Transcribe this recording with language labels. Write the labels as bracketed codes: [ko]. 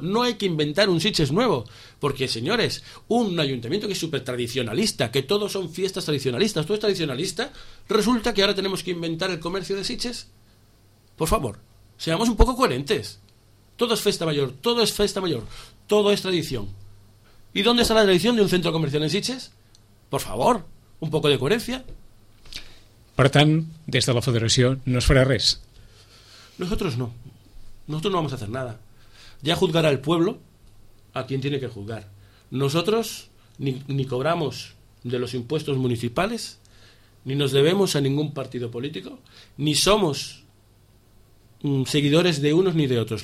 [es] No hay que inventar un Sitges nuevo, porque, señores, un ayuntamiento que es súper tradicionalista, que todos son fiestas tradicionalistas, todo es tradicionalista, resulta que ahora tenemos que inventar el comercio de Sitges. Por favor, seamos un poco coherentes. Todo es fiesta mayor, todo es fiesta mayor, todo es tradición. ¿Y dónde está la tradición de un centro comercial en Sitges? Por favor, un poco de coherencia. [ca] Per tant, des de la federació no es farà res. [es] Nosotros no. Nosotros no vamos a hacer nada. Ya juzgará el pueblo a quien tiene que juzgar. Nosotros ni cobramos de los impuestos municipales, ni nos debemos a ningún partido político, ni somos seguidores de unos ni de otros.